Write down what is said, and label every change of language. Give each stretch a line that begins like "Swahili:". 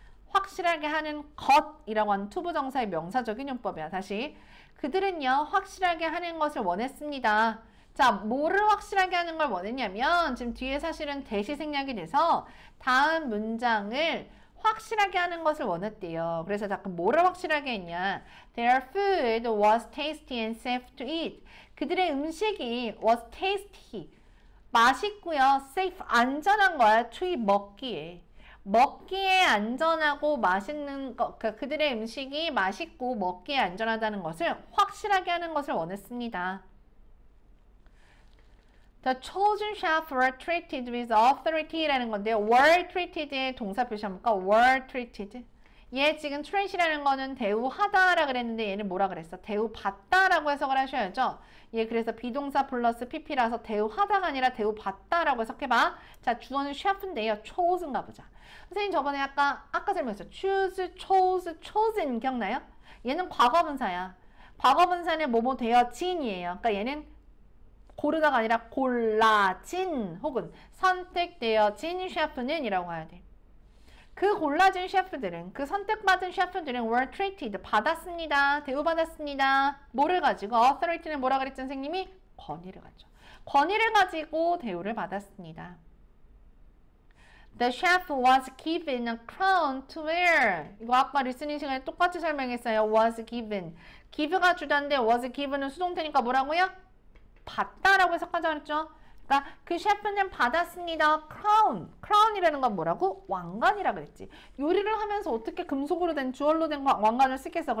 Korean: 확실하게 하는 것이라고 하는 투부 정사의 명사적 인용법이야. 다시 그들은요 확실하게 하는 것을 원했습니다. 자, 뭐를 확실하게 하는 걸 원했냐면 지금 뒤에 사실은 대시 생략이 돼서 다음 문장을 확실하게 하는 것을 원했대요. 그래서 자꾸 뭐를 확실하게 했냐.
English: Their food was tasty and safe to eat.
Korean: 그들의 음식이
English: was tasty.
Korean: 맛있고요. safe. 안전한 거야.
English: to eat.
Korean: 먹기에. 먹기에 안전하고 맛있는 거, 그들의 음식이 맛있고 먹기에 안전하다는 것을 확실하게 하는 것을 원했습니다.
English: The chosen chef were treated with authority라는 건데요. were treated
Korean: 의 동사 표시 한번 볼까? were treated. 얘 지금 treat이라는 거는 대우하다라고 그랬는데 얘는 뭐라 그랬어? 대우받다라고 해석을 하셔야죠. 얘 그래서 비동사 플러스 PP라서 대우하다가 아니라 대우받다라고 해석해봐. 자, 주어는 chef인데요. chosen 가보자. 선생님 저번에 아까 설명했어요.
English: choose, chose, chosen
Korean: 기억나요? 얘는 과거분사야. 과거분사는 뭐뭐 되어진이에요. 그러니까 얘는 고르다가 아니라 골라진 혹은 선택되어진 셰프는 이라고 해야 돼. 그 골라진 셰프들은 그 선택받은 셰프들은
English: were treated
Korean: 받았습니다. 대우받았습니다. 뭐를 가지고 authority는 뭐라 그랬죠 선생님이? 권위를 가지고. 권위를 가지고 대우를 받았습니다.
English: The chef was given a crown to wear.
Korean: 이거 아까 리스닝 시간에 똑같이 설명했어요.
English: was given.
Korean: give가 주단데 was given은 수동태니까 뭐라고요? 받다라고 해석하자 그랬죠. 그러니까 그 셰프는 받았습니다. 크라운. 크라운이라는 건 뭐라고? 왕관이라 그랬지. 요리를 하면서 어떻게 금속으로 된 주얼로 된 왕관을 쓰겠어.